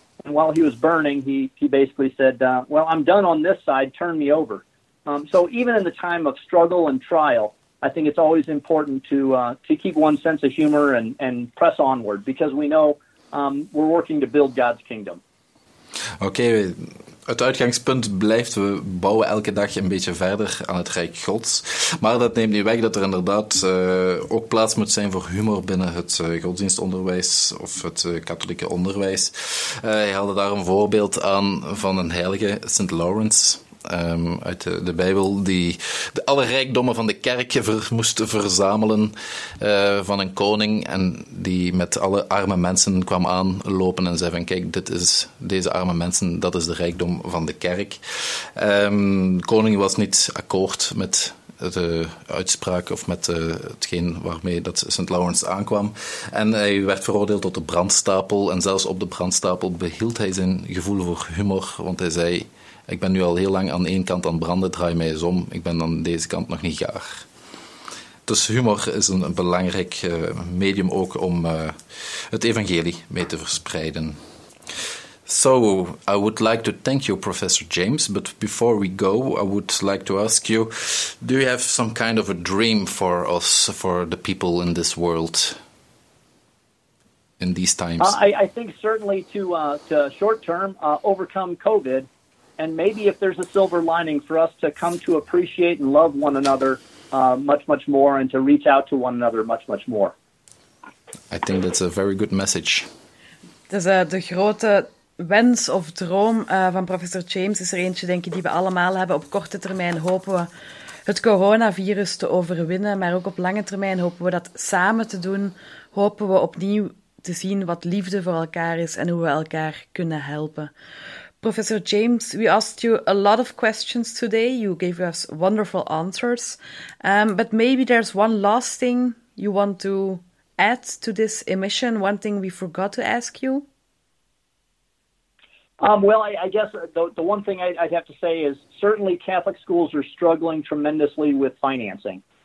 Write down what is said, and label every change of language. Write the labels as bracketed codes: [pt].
[en] And while he was burning, he basically said, well, I'm done on this side, turn me over. So even in the time of struggle and trial, I think it's always important to keep one sense of humor and press onward, because we know we're working to build God's kingdom. Okay. [nl] Het uitgangspunt blijft, we bouwen elke dag een beetje verder aan het Rijk Gods. Maar dat neemt niet weg dat er inderdaad ook plaats moet zijn voor humor binnen het godsdienstonderwijs of het katholieke onderwijs. Hij haalde daar een voorbeeld aan van een heilige, St. Lawrence, uit de Bijbel, die alle rijkdommen van de kerk moest verzamelen van een koning en die met alle arme mensen kwam aanlopen en zei van kijk, dit is deze arme mensen, dat is de rijkdom van de kerk. De koning was niet akkoord met de uitspraak of met hetgeen waarmee dat St. Lawrence aankwam. En hij werd veroordeeld tot de brandstapel en zelfs op de brandstapel behield hij zijn gevoel voor humor, want hij zei ik ben nu al heel lang aan de ene kant aan het branden, draai mij eens om, ik ben aan deze kant nog niet gaar. Dus humor is een belangrijk medium ook om het evangelie mee te verspreiden. [en] So, I would like to thank you, Professor James, but before we go, I would like to ask you, do you have some kind of a dream for us, for the people in this world, in these times? I think certainly to short-term, overcome COVID, and maybe if there's a silver lining for us to come to appreciate and love one another much, much more, and to reach out to one another much, much more. I think that's a very good message. [nl] Dus de grote wens of droom van professor James is er eentje, denk ik, die we allemaal hebben. Op korte termijn hopen we het coronavirus te overwinnen, maar ook op lange termijn hopen we dat samen te doen, hopen we opnieuw te zien wat liefde voor elkaar is en hoe we elkaar kunnen helpen. [en] Professor James, we asked you a lot of questions today. You gave us wonderful answers. But maybe there's one last thing you want to add to this emission, one thing we forgot to ask you. I guess the one thing I'd have to say is certainly Catholic schools are struggling tremendously with financing.